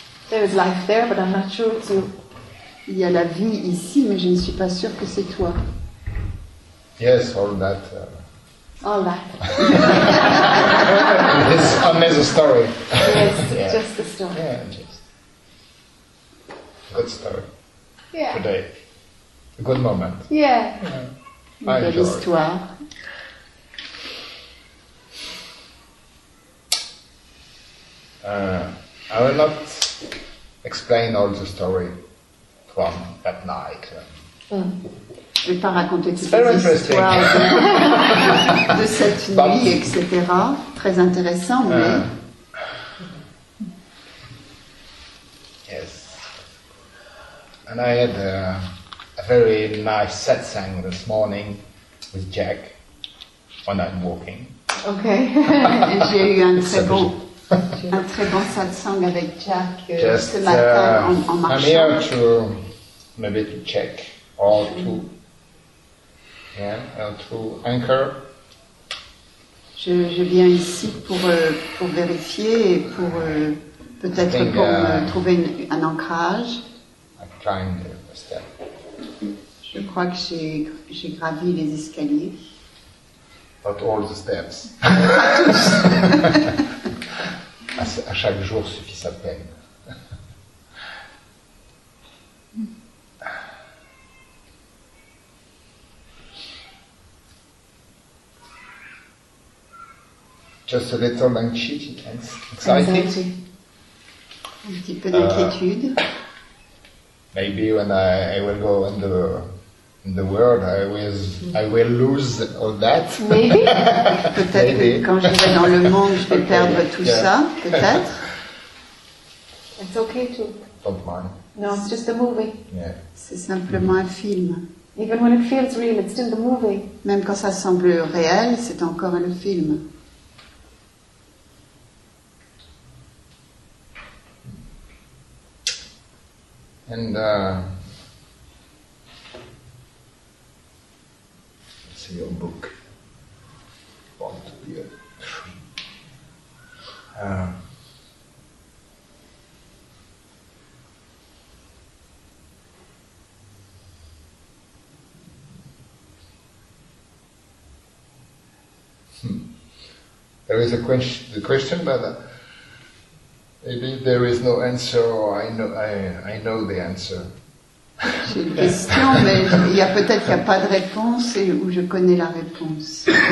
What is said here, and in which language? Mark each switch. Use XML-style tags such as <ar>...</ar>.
<en>There is life there, but I'm not sure it's you.</en> <fr>Il y a la vie ici, mais je ne suis pas sûre que c'est toi.</fr> <en>Yes, all that. All that. This is a story. Yes, yeah. Just a story. Yeah, just. Good story. Yeah. Today. A good moment. Yeah.</en> <fr>Yeah. Une belle histoire.</fr> <en>I will not explain all the story from that night.</en> <fr>Je ne vais pas raconter toutes les histoires de cette nuit, etc. Très intéressant, mais.</fr> <en>Yes. And I had a very nice satsang this morning with Jack when I'm walking. Okay.</en> <fr>Et j'ai eu un très bon satsang avec Jack</fr> <en>just,</en> <fr>ce matin en marchant.</fr> <en>I'm here to maybe to check or to yeah, or to anchor.</en> <fr>Je viens ici pour vérifier et pour peut-être</fr> <en>think,</en> <fr>pour trouver un ancrage.</fr> <en>I'm trying the step.</en> <fr>Je crois que j'ai gravi les escaliers.</fr> <en>Not all the steps.</en> <fr>Pas tous. À chaque jour suffit sa peine.</fr> <en>Just a little anxiety, anxiety. Un petit peu d'inquiétude. Maybe when I will go in the world, I will lose all that. Maybe.</en> <fr>Peut-être que quand je vais dans le monde, je vais perdre tout ça. Peut-être.</fr> <en>It's okay too. Don't mind. No, it's just a movie. Yeah.</en> <fr>C'est simplement un film.</fr> <en>Even when it feels real, it's still the movie.</en> <fr>Même quand ça semble réel, c'est encore le film.</fr> <en>And let's see your book. Want to be a tree. There is a question. The question, but maybe there is no answer, or I know the answer.</en> <fr>J'ai une question, mais il y a peut-être qu'il n'y a pas de réponse, et où je connais la réponse.</fr>